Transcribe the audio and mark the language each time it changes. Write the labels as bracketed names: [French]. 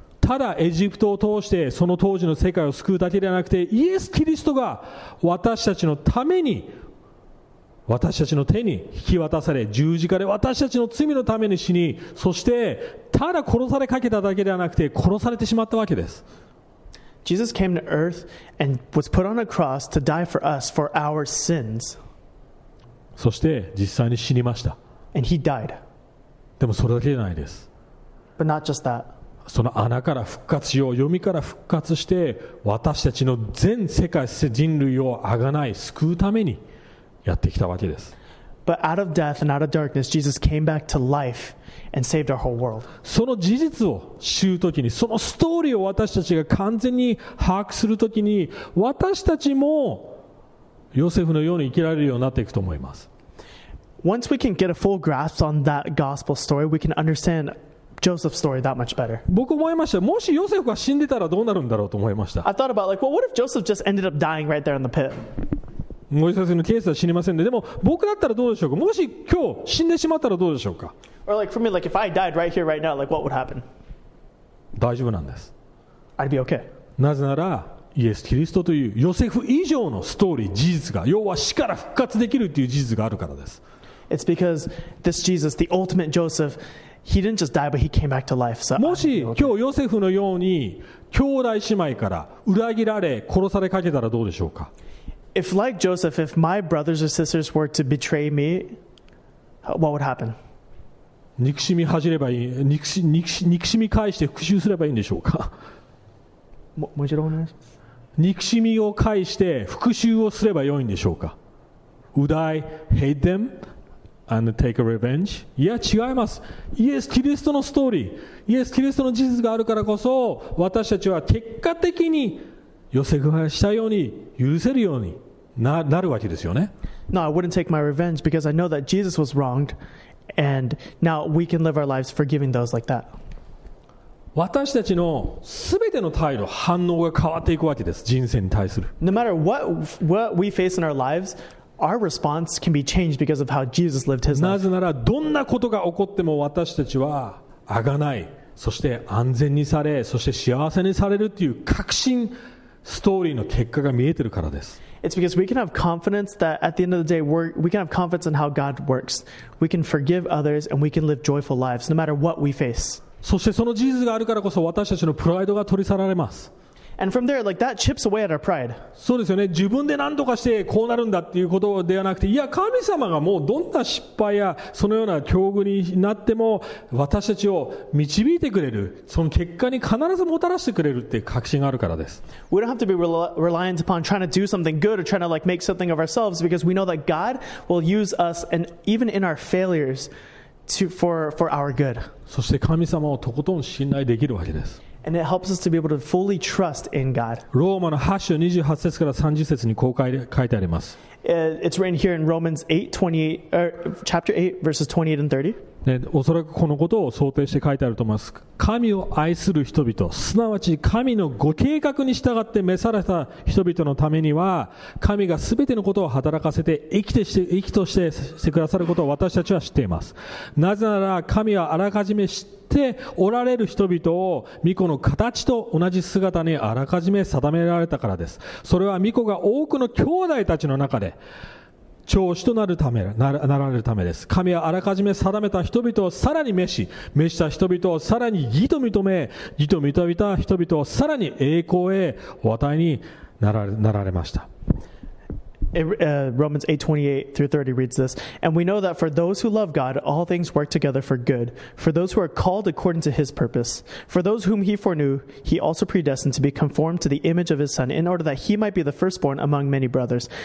[Japanese] ただエジプトを通してその当時の世界を救うだけではなくて、イエス・キリストが私たちのために私たちの手に引き渡され、十字架で私たちの罪のために死に、そしてただ殺されかけただけではなくて殺されてしまったわけです。 [English] Jesus came to earth and was put on a cross to die for us for our sins. [Japanese] そして実際に死にました。 [English] And he died. [Japanese] でもそれだけじゃないです。 [English] But not just that. [Japanese] その穴から復活しよう、黄泉から復活して私たちの全世界人類を贖い救うためにやってきたわけです。 [English] But out of death and out of darkness, Jesus came back to life and saved our whole world. [Japanese] その事実を知るときに、そのストーリーを私たちが完全に把握するときに、私たちもヨセフのように生きられるようになっていくと思います。 [English] Once we can get a full grasp on that gospel story, we can understand Joseph's story that much better. [Japanese] 僕思いました。もしヨセフが死んでたらどうなるんだろうと思いました。 [English] I thought about like, well, what if Joseph just ended up dying right there in the pit? [Japanese] モイセスのケースは死にませんね。でも僕だったらどうでしょうか。もし今日死んでしまったらどうでしょうか。 [English] Or like for me, like if I died right here, right now, like what would happen? [Japanese] 大丈夫なんです。 [English] I'd be okay. [Japanese] なぜならイエス・キリストというヨセフ以上のストーリー、事実が、要は死から復活できるという事実があるからです。 [English] It's because this Jesus, the ultimate Joseph, he didn't just die, but he came back to life. So [Japanese] もし今日ヨセフのように兄弟姉妹から裏切られ殺されかけたらどうでしょうか。 [English] If like Joseph, if my brothers or sisters were to betray me, what would happen? [Japanese] 憎しみ恥じればいい、憎しみ返して復讐すればいいんでしょうか。もう一度お願いします。憎しみを返して復讐をすればよいんでしょうか。 [English] Would I hate them and take a revenge? [Japanese] いや違います。イエス・キリストのストーリー、イエス・キリストの事実があるからこそ、私たちは結果的にヨセフがしたように許せるように なるわけですよね。 [English] No, I wouldn't take my revenge because I know that Jesus was wronged and now we can live our lives forgiving those like that. [Japanese] 私たちの全ての態度、反応が変わっていくわけです、人生に対する。 [English] No matter what we face in our lives, our response can be changed because of how Jesus lived his life. [Japanese] なぜならどんなことが起こっても私たちは贖い、そして安全にされ、そして幸せにされるという確信、ストーリーの結果が見えてるからです。 [English] It's because we can have confidence that at the end of the day we can have confidence in how God works. We can forgive others and we can live joyful lives no matter what we face. [Japanese] そしてその事実があるからこそ私たちのプライドが取り去られます。 [English] And from there, like that chips away at our pride. [Japanese] そうですよね。自分で何とかしてこうなるんだっていうことではなくて、いや神様がもうどんな失敗やそのような境遇になっても私たちを導いてくれる、その結果に必ずもたらしてくれるって確信があるからです。 [English] We don't have to be reliant upon trying to do something good or trying to like make something of ourselves because we know that God will use us and even in our failures for our good. [Japanese] そして神様をとことん信頼できるわけです。 [English] And it helps us to be able to fully trust in God. [Japanese] ローマの8章28節から30節にこう書いてあります。 It's written here in Romans 8, 28, chapter 8, verses 28 and 30. おそらくこのことを想定して書いてあると思います。神を愛する人々、すなわち神のご計画に従って召された人々のためには、神がすべてのことを働かせて生きとしてしてくださることを私たちは知っています。なぜなら神はあらかじめ知っておられる人々を御子の形と同じ姿にあらかじめ定められたからです。それは御子が多くの兄弟たちの中で長子となるため、なられるためです。神はあらかじめ定めた人々をさらに召した人々をさらに義と認め、義と認めた人々をさらに栄光へお与えになられました。 [English] Romans 8:28 through 30 reads this, "And we know that for those who love God, all things work together for good, for those who are called according to his purpose. For those whom he foreknew, he also predestined to be conformed to the image of his son, in order that he might be the firstborn among many brothers.